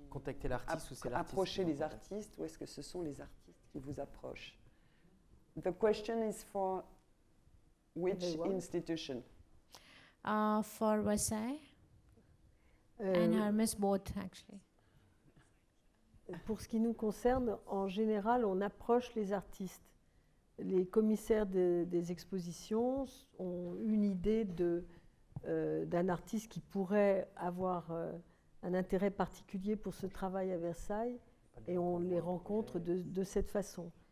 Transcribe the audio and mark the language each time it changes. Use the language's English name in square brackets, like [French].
[French] contactez l'artiste ou c'est l'artiste approchez les artistes ou est-ce que ce sont les artistes qui vous approchent? [English] The question is for which institution? For Versailles and Hermès both actually. [French] Pour ce qui nous concerne, en général, on approche les artistes. Les commissaires des expositions ont une idée d'un artiste qui pourrait avoir un intérêt particulier pour ce travail à Versailles et on les rencontre de cette façon.